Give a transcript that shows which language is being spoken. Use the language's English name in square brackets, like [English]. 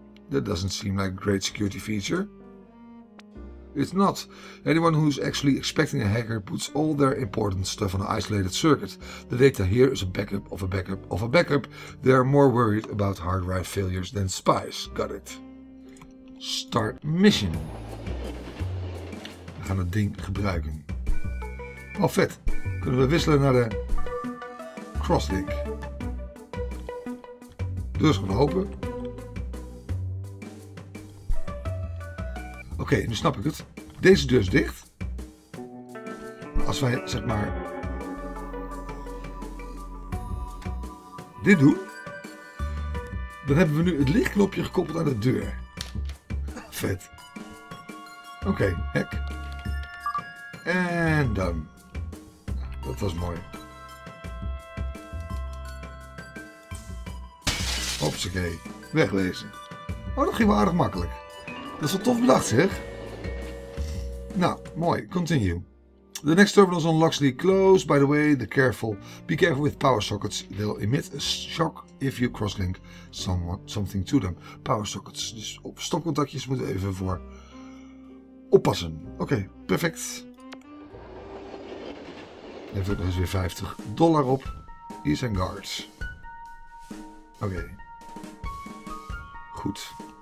[English] That doesn't seem like a great security feature. It's not. Anyone who's actually expecting a hacker puts all their important stuff on an isolated circuit. The data here is a backup of a backup of a backup. They are more worried about hard drive failures than spies. Got it. Start mission. [Dutch] We gaan het ding gebruiken. Oh vet. Kunnen we wisselen naar de crosslink. Deur is gewoon open. Oké, okay, nu snap ik het. Deze deur is dicht. Als wij zeg maar dit doen, dan hebben we nu het lichtknopje gekoppeld aan de deur. Vet. Oké, okay, hek. En dan. Dat was mooi. Hopsakee. Wegwezen. Oh, dat ging wel aardig makkelijk. Dat is wel tof bedacht, zeg. Nou, mooi. Continue. [English] The next terminal is unlockedly closed. By the way, be careful with power sockets. They'll emit a shock if you crosslink something to them. Power sockets. [Dutch] Dus op stopcontactjes moeten we even voor oppassen. Oké, okay, perfect. Heeft ook nog eens weer $50 op. Hier zijn guards. Oké. Okay. Goed.